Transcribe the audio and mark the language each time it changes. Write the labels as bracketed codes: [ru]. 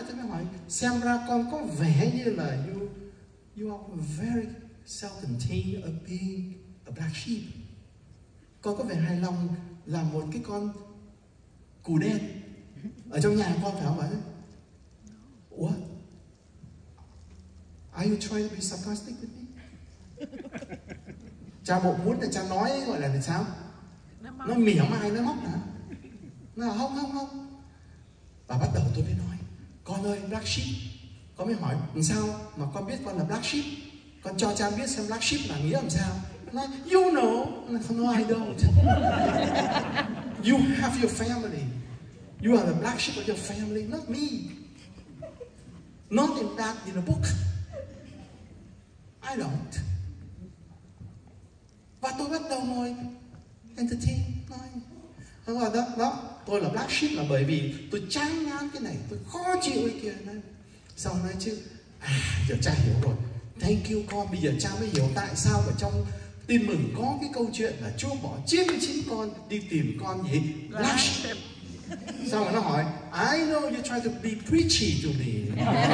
[vi] Tôi mới hỏi, xem ra con có vẻ như là [en] you are very self-contained of being a black sheep. [vi] Con có vẻ hài lòng là một cái con cù đen ở trong nhà con phải không ạ? [en] What? Are you trying to be sarcastic with me? [vi] Cha bộ muốn là cha nói gọi là sao? Nó mỉa mai, nó móc hả? Nó là không. Và bắt đầu tôi mới nói, con ơi, black sheep. Con mới hỏi, làm sao mà con biết con là black sheep? Con cho cha biết xem black sheep là nghĩa làm sao? [en] Nói, you know. No, I don't. You have your family. You are the black sheep of your family, not me. Not in that, in a book. I don't. [vi] Và tôi bắt đầu ngồi entertain. Nói, tôi là black sheep là bởi vì tôi chán ngán cái này, tôi khó chịu cái kia. Nói, xong nói chứ, giờ cha hiểu rồi. [en] Thank you [vi] con. Bây giờ cha mới hiểu tại sao mà trong Tin Mừng có cái câu chuyện là Chúa bỏ 99 con đi tìm con gì? [en] Black sheep. [vi] Xong rồi nó hỏi, [en] I know you try to be preachy to me.